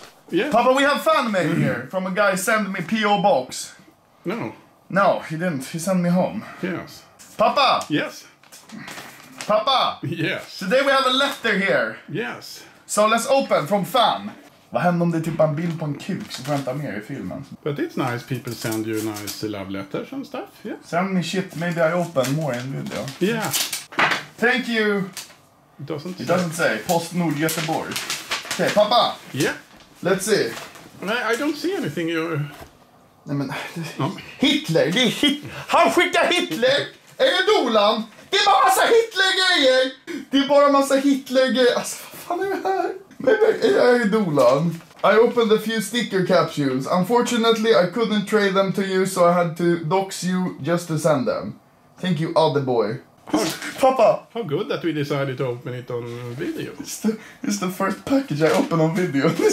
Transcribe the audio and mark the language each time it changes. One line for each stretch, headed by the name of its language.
English: Yeah. Papa, we have fan mail here from a guy sent me P.O. box. No. No, he didn't. He sent me home. Yes. Papa! Yes. Papa! Yes. Today we have a letter here. Yes. So let's open from fan.
Swedish: Vad händer om det är typ en bild på en kuk som väntar med i filmen?
English: But it's nice people send you nice love letters and stuff. Yeah. Send me shit, maybe I open more in video. Yeah. Thank you. It doesn't say.
Swedish: Postnord Göteborg. Okay, pappa.
English: Yeah. Let's see. I don't see anything you're...
Swedish: Nej men... Hitler, det är Hitler. Han skickar Hitler! Är det Dolan? Det är bara massa Hitler-grejer! Det är bara massa Hitler-grejer. Alltså, vad fan är det här?
English: Maybe I am Dolan. I opened a few sticker capsules. Unfortunately, I couldn't trade them to you, so I had to dox you just to send them. Thank you, other boy. Papa! How good that we decided to open it on video. It's the first package I opened on video.